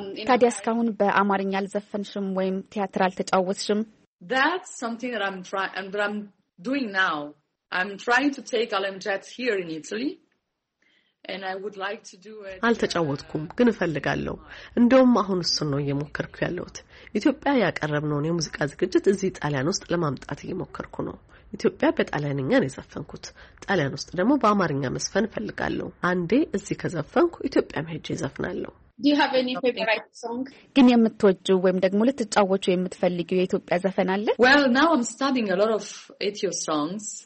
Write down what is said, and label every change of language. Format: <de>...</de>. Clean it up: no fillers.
<am>ታዲያ እስካሁን በአማርኛ አልዘፈንሽም ወይም ቲያትር አልተጫወትሽም?</am> <en>That's something that I'm doing now. I'm trying to take Alem Jet here in Italy.</en> <am>አልተጫወትኩም፣ ግን እፈልጋለሁ። እንደውም አሁን እሱን ነው እየሞከርኩ ያለሁት። ኢትዮጵያ ያቀረብነውን የሙዚቃ ዝግጅት እዚህ ጣሊያን ውስጥ ለማምጣት እየሞከርኩ ነው። ኢትዮጵያ በጣሊያንኛ ነው የዘፈንኩት። ጣሊያን ውስጥ ደግሞ በአማርኛ መስፈን እፈልጋለሁ። አንዴ እዚህ ከዘፈንኩ ኢትዮጵያ መሄጄ እዘፍናለሁ። ግን የምትወጂው ወይም ደግሞ ልትጫወቺው የምትፈልጊው የኢትዮጵያ ዘፈን አለ?</am> <en>Well, now I'm studying a lot of Ethio songs.</en>